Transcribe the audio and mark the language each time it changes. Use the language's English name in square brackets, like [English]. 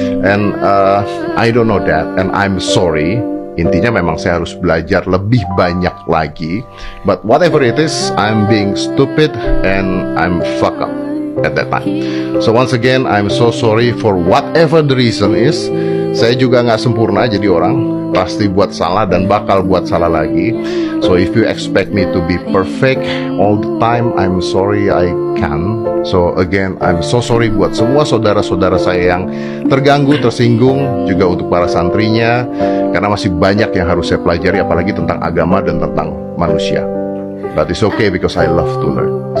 [English] And I don't know that, and I'm sorry. [Indonesian] Intinya memang saya harus belajar lebih banyak lagi. [English] But whatever it is, I'm being stupid and I'm fuck up at that time. So once again, I'm so sorry for whatever the reason is. [Indonesian] Saya juga nggak sempurna jadi orang, pasti buat salah dan bakal buat salah lagi. [English] So if you expect me to be perfect all the time, I'm sorry I can't. So again, I'm so sorry [Indonesian] buat semua saudara-saudara saya yang terganggu, tersinggung, juga untuk para santrinya, karena masih banyak yang harus saya pelajari, apalagi tentang agama dan tentang manusia. [English] But it's okay because I love to learn.